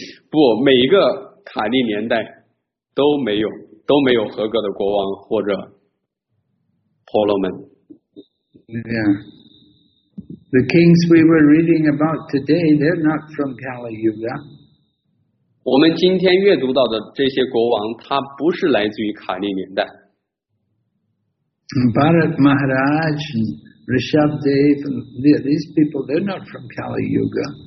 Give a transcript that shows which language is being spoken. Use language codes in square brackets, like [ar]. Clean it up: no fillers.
[zh] 不，每一个卡利年代都没有合格的国王或者婆罗门。 [en] Yeah. The kings we were reading about today, they're not from Kali Yuga. [zh] 我们今天阅读到的这些国王，他不是来自于卡利年代。 [en] Bharat Maharaj, Rishabdev, these people, they're not from Kali Yuga.